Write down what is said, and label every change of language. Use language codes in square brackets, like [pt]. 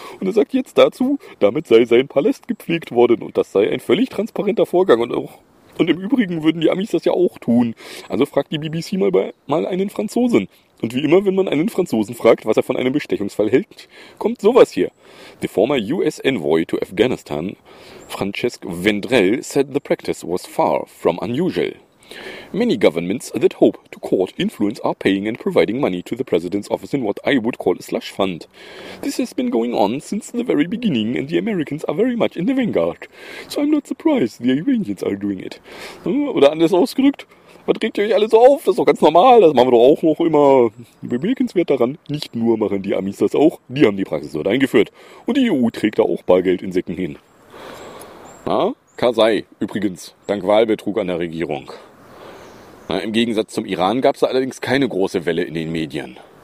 [de] Und er sagt jetzt dazu, damit sei sein Palast gepflegt worden. Und das sei ein völlig transparenter Vorgang. Und im Übrigen würden die Amis das ja auch tun. Also fragt die BBC mal einen Franzosen. Und wie immer, wenn man einen Franzosen fragt, was er von einem Bestechungsfall hält, kommt sowas hier. [en] The former US envoy to Afghanistan, Francesc Vendrell, said the practice was far from unusual. Many governments that hope to court influence are paying and providing money to the president's office in what I would call a slush fund. This has been going on since the very beginning and the Americans are very much in the vanguard. So I'm not surprised the Iranians are doing it. [de] Oder anders ausgedrückt, was regt ihr euch alle so auf? Das ist doch ganz normal, das machen wir doch auch noch immer. Bemerkenswert daran, nicht nur machen die Amis das auch, die haben die Praxis dort eingeführt. Und die EU trägt da auch Bargeld in Säcken hin. Na? Kasai, übrigens, dank Wahlbetrug an der Regierung. Na, im Gegensatz zum Iran gab es da allerdings keine große Welle in den Medien.